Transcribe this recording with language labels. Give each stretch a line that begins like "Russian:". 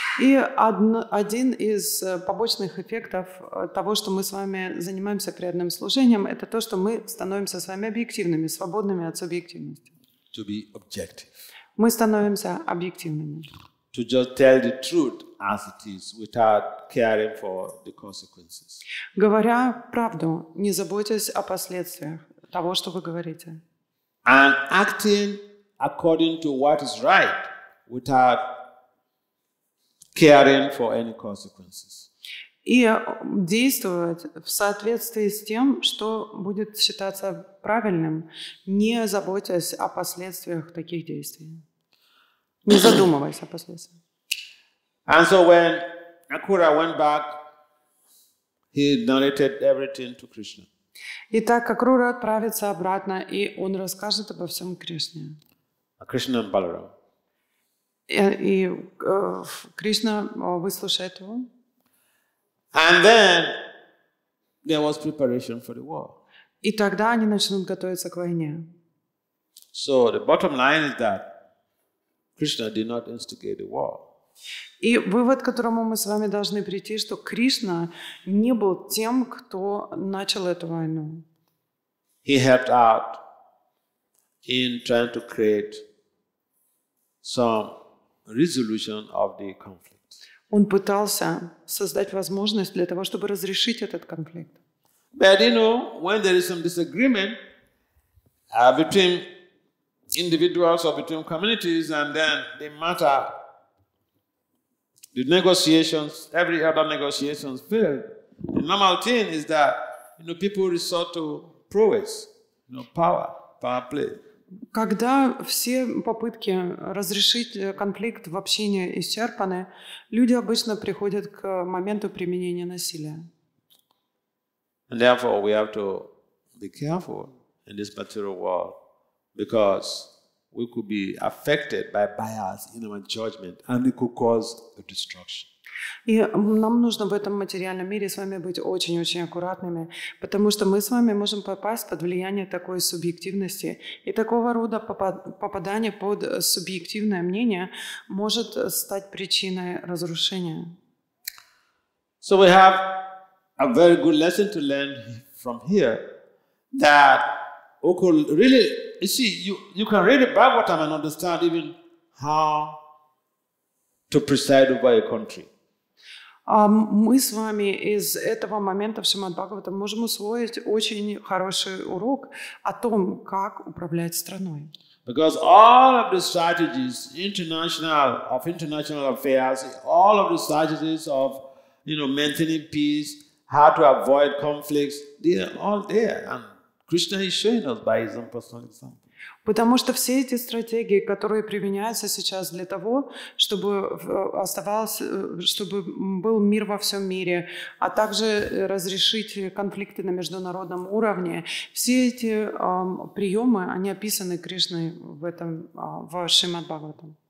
Russian: И один из побочных эффектов того, что мы с вами занимаемся преданным служением, это то, что мы становимся с вами объективными, свободными от субъективности.
English: To be objective.
Russian: Мы становимся объективными.
English: To just tell the truth as it is, without caring for the consequences.
Russian: Говоря правду, не заботясь о последствиях того, что вы говорите.
English: And acting according to what is right, without caring for any consequences.
Russian: И действовать в соответствии с тем, что будет считаться правильным, не заботясь о последствиях таких действий, не задумываясь о последствиях.
English: And so when Akura went back, he narrated everything to Krishna.
Russian: И так Акура отправится обратно, и он расскажет обо всем Кришне.
English: Krishna and Balaram. And
Russian: Krishna выслушает его.
English: And then there was preparation for the war.
Russian: И тогда они начнут готовиться к войне.
English: So the bottom line is that Krishna did not instigate the war.
Russian: И вывод, к которому мы с вами должны прийти, что Кришна не был тем, кто начал эту войну.
English: He helped out in trying to create some resolution of the conflict.
Russian: Он пытался создать возможность для того, чтобы разрешить этот конфликт.
English: But you know, when there is some disagreement between individuals or between communities, and then the matter, the negotiations, every other negotiations fail, the normal thing is that, you know, people resort to prowess, you know, power play.
Russian: Когда все попытки разрешить конфликт в общине исчерпаны, люди обычно приходят к моменту применения насилия.
English: And therefore, we have to be careful in this material world, because we could be affected by bias in our judgment, and it could cause a destruction.
Russian: И нам нужно в этом материальном мире с вами быть очень-очень аккуратными, потому что мы с вами можем попасть под влияние такой субъективности. И такого рода попадание под субъективное мнение может стать причиной разрушения.
English: So we have a very good lesson to learn from here, that okay, really, you see, you can read the Bhagavatam and understand even how to preside over a country.
Russian: Мы с вами из этого момента в Шримад-Бхагаватам можем усвоить очень хороший урок о том, как управлять страной.
English: Because all of the strategies international affairs, all of the strategies of, you know, maintaining peace, how to avoid conflicts, they are all there, and Krishna is showing us by his own personal example.
Russian: Потому что все эти стратегии, которые применяются сейчас для того, чтобы оставался, чтобы был мир во всем мире, а также разрешить конфликты на международном уровне, все эти приемы, они описаны Кришной в этом в Шримад-Бхагаватам.